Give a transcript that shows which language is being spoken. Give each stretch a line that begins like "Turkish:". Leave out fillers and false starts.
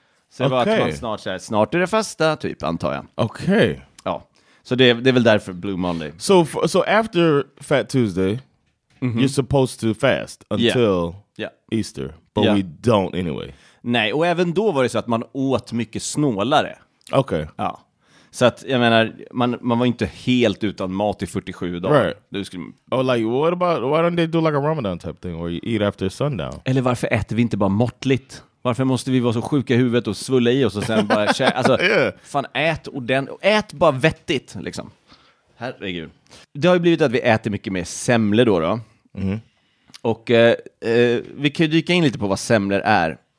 Swedish: Så det var att man snart säger, snart är det fasta, typ, antar jag. Okej. Okay. Ja, så det är väl därför Blue Monday.
English: So after Fat Tuesday... Mm-hmm. You're supposed to fast until Easter, but we don't anyway.
Swedish: Nej, och även då var det så att man åt mycket snålare. Okej. Okay. Ja. Så att, jag menar, man var inte helt utan mat i 47 dagar.
English: Right. Why don't they do like a Ramadan type thing where you eat after sundown?
Swedish: Eller varför äter vi inte bara måttligt? Varför måste vi vara så sjuka i huvudet och svulla i oss och sen bara fan, ät ordentligt. Ät bara vettigt, liksom. Herregud. Det har ju blivit att vi äter mycket mer semle då. Mm. Och vi kan ju dyka in lite på vad semler är.